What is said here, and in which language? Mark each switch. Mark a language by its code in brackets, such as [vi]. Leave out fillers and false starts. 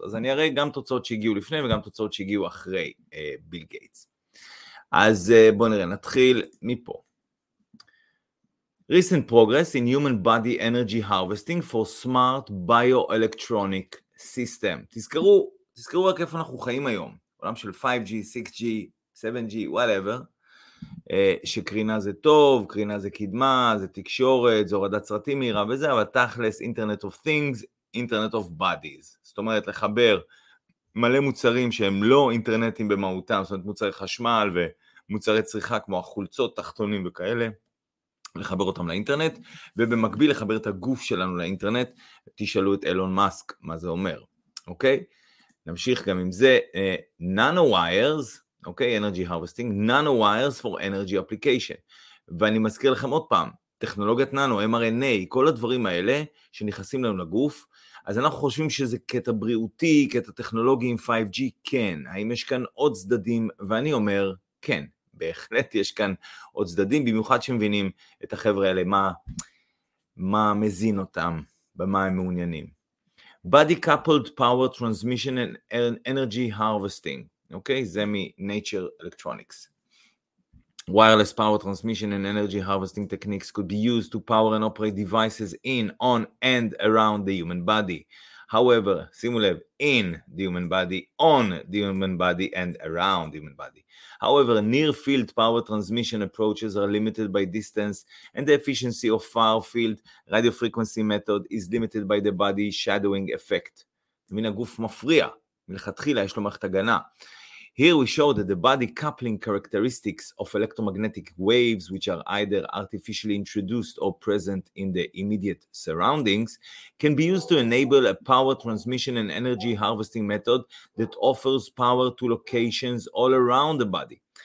[he] אז אני אראה גם תוצאות שהגיעו לפני וגם תוצאות שהגיעו אחרי ביל גייטס. [en] אז בוא נראה, נתחיל מפה. Recent progress in human body energy harvesting for smart bioelectronic system. [he] תזכרו רק איפה אנחנו חיים היום. עולם של 5G, 6G, 7G, whatever. שקרינה זה טוב, קרינה זה קדמה, זה תקשורת, זה הורדת סרטים מהירה וזה, אבל תכלס, Internet of Things, Internet of Bodies. זאת אומרת, לחבר מלא מוצרים שהם לא אינטרנטים במהותם, זאת אומרת, מוצרי חשמל ומוצרי צריכה כמו החולצות, תחתונים וכאלה, לחבר אותם לאינטרנט, ובמקביל לחבר את הגוף שלנו לאינטרנט, תשאלו את אילון מאסק מה זה אומר, אוקיי? [en] נמשיך גם עם זה, nanowires, אוקיי, energy harvesting, nanowires for energy application. [he] ואני מזכיר לכם עוד פעם, טכנולוגיית נאנו, mRNA, כל הדברים האלה שנכנסים לנו לגוף, אז אנחנו חושבים שזה קטע בריאותי, קטע טכנולוגי עם 5G, כן. האם יש כאן עוד צדדים? ואני אומר, כן, בהחלט יש כאן עוד צדדים, במיוחד שמבינים את החבר'ה האלה, מה מזין אותם, במה הם מעוניינים. [en] Body coupled power transmission and energy harvesting. [he] אוקיי, זה מ-Nature Electronics. [en] Wireless power transmission and energy harvesting techniques could be used to power and operate devices in, on, and around the human body. However, שימו לב, in the human body, on the human body, and around the human body. However, near-field power transmission approaches are limited by distance, and the efficiency of far-field radio frequency method is limited by the body shadowing effect. [he] מן הגוף מפריע, מלכתחילה יש לו מערכת הגנה. [en] Here we show that the body coupling characteristics of electromagnetic waves, which are either artificially introduced or present in the immediate surroundings, can be used to enable a power transmission and energy harvesting method that offers power to locations all around the body.